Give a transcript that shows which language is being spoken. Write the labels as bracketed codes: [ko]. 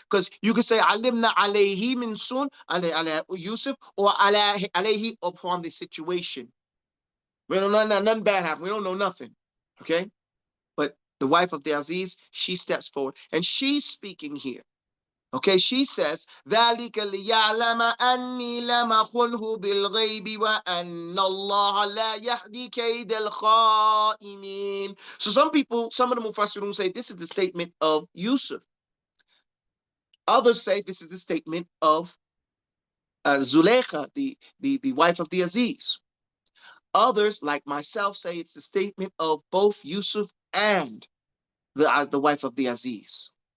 [en] Because you could say, [ar] alimna alayhi min sun, [en] alayhi Yusuf, or alayhi upon the situation. We don't know nothing bad happened. We don't know nothing. Okay? But the wife of the Aziz, she steps forward and she's speaking here. Okay? She says, [ar] ذَلِكَ لِيَعْلَمَ أَنِّي لَمَ خُنْهُ بِالْغَيْبِ وَأَنَّ اللَّهَ لَا يَحْدِي كَيْدَ الْخَائِنِينَ. [en] So some of the Mufassirun say this is the statement of Yusuf. Others say this is the statement of Zuleika, the wife of the Aziz. Others, like myself, say it's the statement of both Yusuf and the wife of the Aziz.